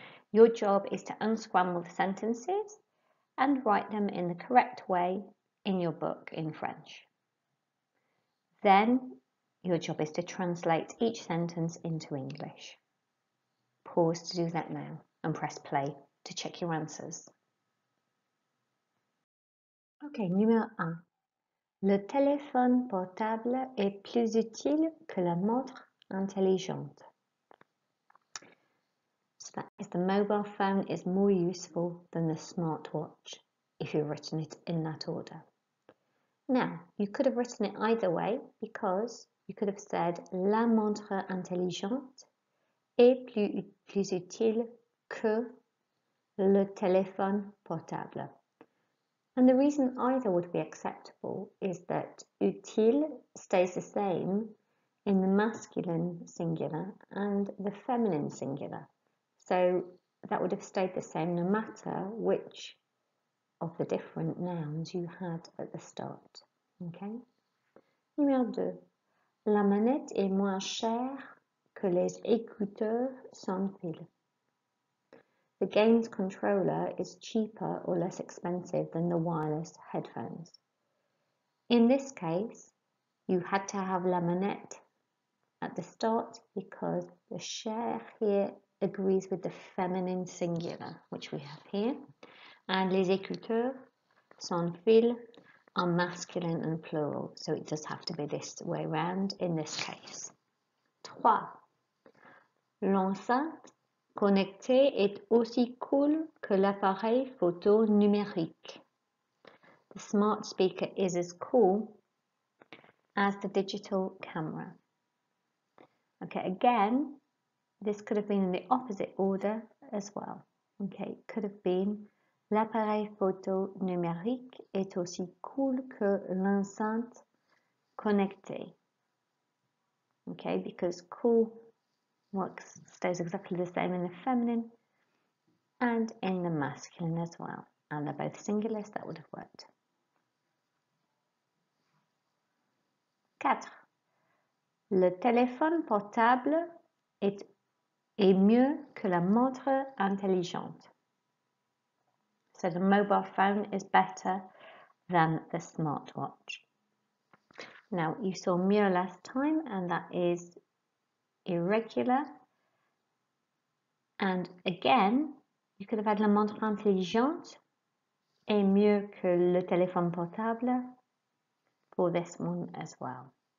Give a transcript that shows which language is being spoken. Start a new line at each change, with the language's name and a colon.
English: Your job is to unscramble the sentences and write them in the correct way in your book in French. Then your job is to translate each sentence into English. Pause to do that now and press play to check your answers.
French: Okay, numéro 1. Le téléphone portable est plus utile que la montre intelligente.
English: So that is the mobile phone is more useful than the smartwatch if you've written it in that order. Now, you could have written it either way because you could have said
French: la montre intelligente est plus utile que le téléphone portable.
English: And the reason either would be acceptable is that utile stays the same in the masculine singular and the feminine singular. So that would have stayed the same no matter which of the different nouns you had at the start, okay?
French: Numéro 2. La manette est moins chère que les écouteurs sans fil.
English: The games controller is cheaper or less expensive than the wireless headphones. In this case, you had to have la manette at the start because the chère here agrees with the feminine singular, which we have here. And les écouteurs sans fil are masculine and plural, so it does have to be this way round in this case. 3.
French: L'enceinte connectée est aussi cool que l'appareil photo numérique.
English: The smart speaker is as cool as the digital camera. Okay, again, this could have been in the opposite order as well. Okay, it could have been
French: l'appareil photo numérique est aussi cool que l'enceinte connectée.
English: Okay, because cool works, stays exactly the same in the feminine and in the masculine as well. And they're both singulars, that would have worked. 4.
French: Le téléphone portable est mieux que la montre intelligente.
English: So the mobile phone is better than the smartwatch. Now, you saw mieux last time and that is irregular. And again, you could have had
French: la montre intelligente est mieux que le téléphone portable
English: for this one as well.